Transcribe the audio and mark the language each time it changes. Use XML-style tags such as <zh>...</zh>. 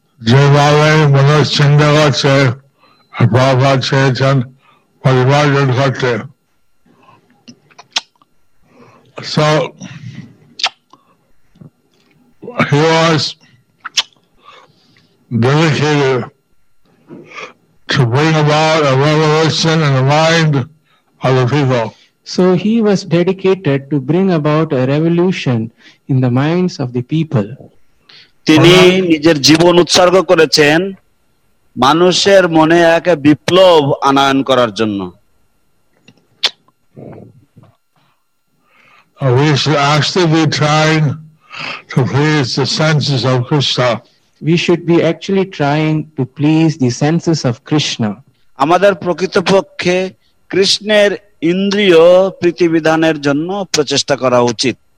<bn>যেভাবে মানুষ চিন্তা করছে বাবা চেয়েছেন পরিবর্তন করতে.</bn> <en>So he was dedicated to bring about a revolution in the mind of the people. So he was dedicated to bring about a revolution in the minds of the people.</en> <bn>তিনি নিজের জীবন উৎসর্গ করেছেন মানুষের মনে এক বিপ্লব আনয়ন করার জন্য.</bn> <en>We should actually be trying to please the senses of Krishna. we should be actually trying to please the senses of Krishna.</en> <bn>আমাদের প্রকৃতপক্ষে কৃষ্ণের ইন্দ্রিয় প্রীতিবিধানের জন্য প্রচেষ্টা করা উচিত।</bn>